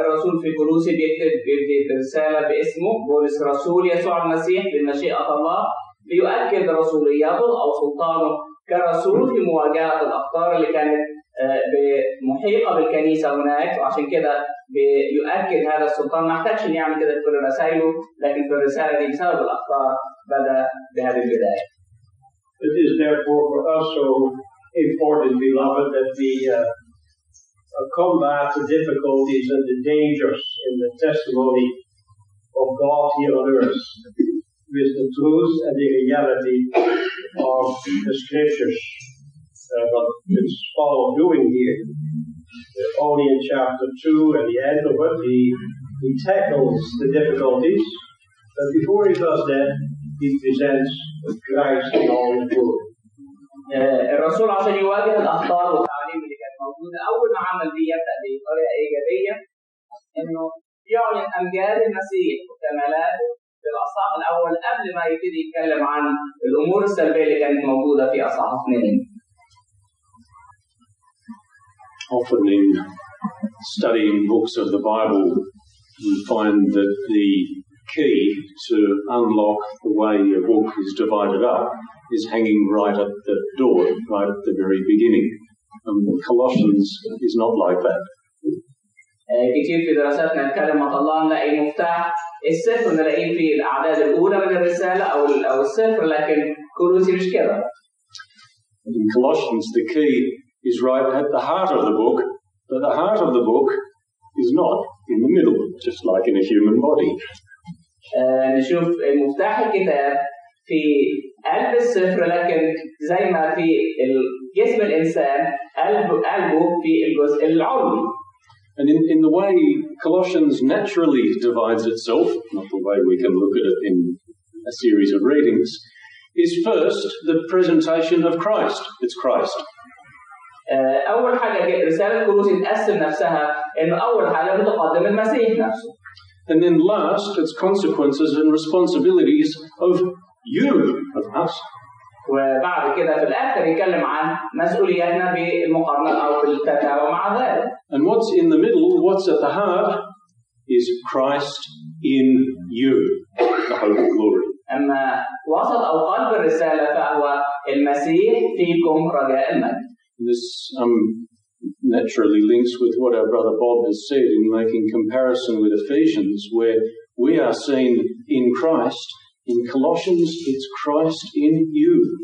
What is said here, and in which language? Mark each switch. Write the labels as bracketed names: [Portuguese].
[Arabic] الرسول في كولوسي بيبدأ الرسالة باسمه بولس رسول يسوع المسيح بمشيئة الله، بيؤكد رسوليته أو سلطانه كرسول في مواجهة الأخطار اللي كانت محيطة بالكنيسة هناك، وعشان كده بيؤكد هذا السلطان ما احتاجش أن يعمل كده في كل رسائله، لكن في الرسالة دي بسبب الأخطار بدأ بهذه البداية. [English] It is therefore for us so important, beloved, that we combat the difficulties and the dangers in the testimony of God here on earth with the truth and the reality of the scriptures. But it's Paul doing here. Only in chapter 2 at the end of it, he tackles the difficulties. But before he does that, he presents Christ in all his glory. [Arabic] الرسول عشان يواجه الأخطار والتعاليم اللي كانت موجودة، أول ما عمل بيه يبدأ بطريقة إيجابية إنه يعلن أمجاد المسيح وكمالاته في الأصحاح الأول قبل ما يبتدي يتكلم عن الأمور السلبية اللي كانت موجودة في أصحاح 2. [English] Often in studying books of the Bible you find that the key to unlock the way a book is divided up is hanging right at the door, right at the very beginning. And Colossians is not like that. [Arabic] كتير في دراساتنا نتكلم عن الله نلاقي مفتاح السفر نلاقي في الأعداد الأولى من الرسالة أو السفر، لكن كولوسي مش كده. [English] In Colossians, the key is right at the heart of the book, but the heart of the book is not in the middle, just like in a human body. [Arabic] نشوف مفتاح الكتاب في قلب السفر، لكن زي ما في جسم الإنسان قلبه في الجزء العلوي. [English] And in the way Colossians naturally divides itself, not the way we can look at it in a series of readings, is first the presentation of Christ. It's Christ. [Arabic] أول حاجة رسالة كروسي تقسم نفسها إنه أول حاجة متقدم المسيح نفسه. [English] And then last, its consequences and responsibilities of you, of us. [Arabic] وبعد كده في الآخر يتكلم عن مسؤولياتنا بالمقارنة أو بالتتابع مع ذلك. [English] And what's in the middle, what's at the heart, is Christ in you, the hope of glory. [Arabic] أما وسط أو قلب الرسالة فهو المسيح فيكم رجاء المجد. [English] This naturally links with what our brother Bob has said in making comparison with Ephesians, where we are seen in Christ. In Colossians, it's Christ in you.